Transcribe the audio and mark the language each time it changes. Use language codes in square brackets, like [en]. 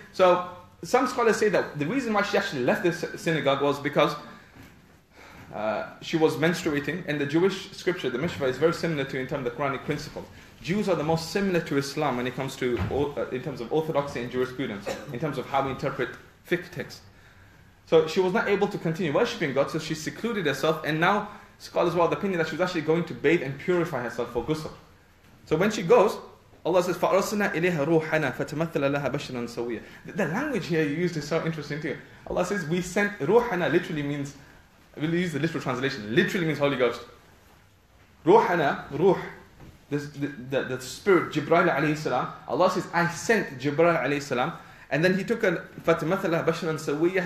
[en] So some scholars say that the reason why she actually left the synagogue was because she was menstruating, and the Jewish scripture, the Mishnah, is very similar to in terms of the Quranic principles. Jews are the most similar to Islam when it comes to in terms of orthodoxy and jurisprudence, in terms of how we interpret fiqh texts. So she was not able to continue worshipping God, so she secluded herself, and now scholars were of the opinion that she was actually going to bathe and purify herself for ghusl. So when she goes, Allah says, [ar] فَأَرْسَلْنَا إِلَيْهَا رُوحَنَا فَتَمَثَلَ لَهَا بَشْرًا سَوِيًّا. [en] The language here used is so interesting too. Allah says, we sent رُوحَنَا, literally means, we'll use the literal translation, literally means Holy Ghost. رُوحَنَا, رُوح, the spirit, Jibreel alayhi salam. Allah says, I sent Jibreel alayhi salam. And then he took a [ar] فَتَمَثَلَ لَهَا بَشْرًا سَوِيًّا.